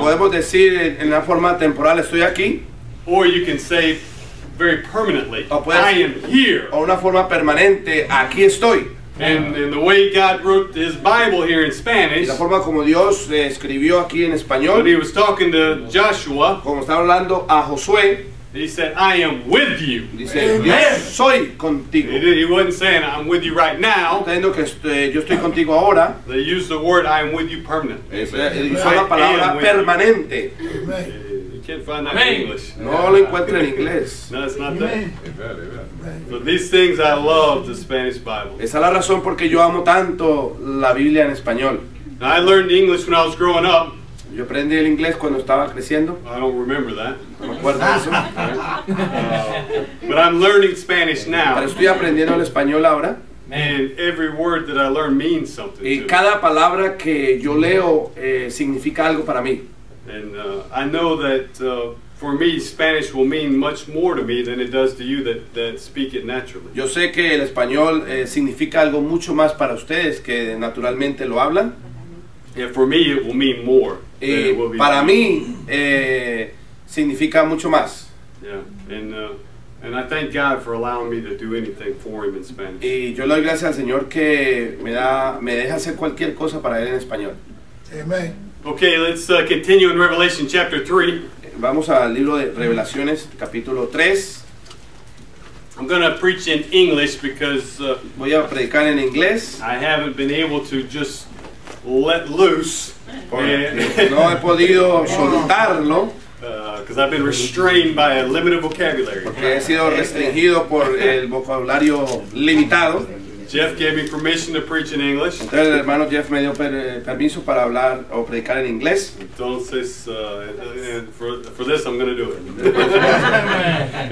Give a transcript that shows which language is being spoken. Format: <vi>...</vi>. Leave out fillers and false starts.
<es>Podemos decir en la forma temporal, estoy aquí.</es> <en>Or you can say very permanently, I am here.</en> <es>O una forma permanente, aquí estoy.</es> <en>And the way God wrote His Bible here in Spanish,</en> <es>la forma como Dios escribió aquí en español,</es> <en>when He was talking to Joshua,</en> <es>como estaba hablando a Josué,</es> <en>He said, I am with you.</en> <es>Dice, yo soy contigo.</es> <en>He wasn't saying, I'm with you right now.</en> <es>Entiendo que yo estoy contigo ahora.</es> <en>They use the word, I am with you permanently.</en> <es>Usa la palabra permanente.</es> <en>You can't find that in English.</en> <es>No lo encuentro en inglés.</es> <en>No, it's not that. But these things I love the Spanish Bible.</en> <es>Esa es la razón porque yo amo tanto la Biblia en español.</es> <en>I learned English when I was growing up.</en> <es>Yo aprendí el inglés cuando estaba creciendo.</es> <en>I don't remember that.</en> <es>No me acuerdo de eso.</es> <en>But I'm learning Spanish now.</en> <es>Pero estoy aprendiendo el español ahora.</es> <en>And every word that I learn means something.</en> <es>Y cada palabra que yo leo significa algo para mí.</es> <en>And I know that for me Spanish will mean much more to me than it does to you that speak it naturally.</en> <es>Yo sé que el español significa algo mucho más para ustedes que naturalmente lo hablan.</es> <en>Yeah, for me, it will mean more.</en> <es>Y para mí, significa mucho más.</es> <en>Yeah, and I thank God for allowing me to do anything for Him in Spanish.</en> <es>Y yo le doy gracias al Señor que me deja hacer cualquier cosa para Él en español.</es> <en>Amen. Okay, let's continue in Revelation chapter 3.</en> <es>Vamos al libro de Revelaciones, capítulo 3.</es> <en>I'm going to preach in English because</en> <es>voy a predicar en inglés.</es> <en>I haven't been able to just let loose.</en> <es>No he podido soltarlo.</es> <en>Because I've been restrained by a limited vocabulary.</en> <es>Porque he sido restringido por el vocabulario limitado.</es> <en>Jeff gave me permission to preach in English.</en> <es>Entonces el hermano Jeff me dio permiso para hablar o predicar en inglés.</es> <en>Entonces, for this I'm going to do it.</en>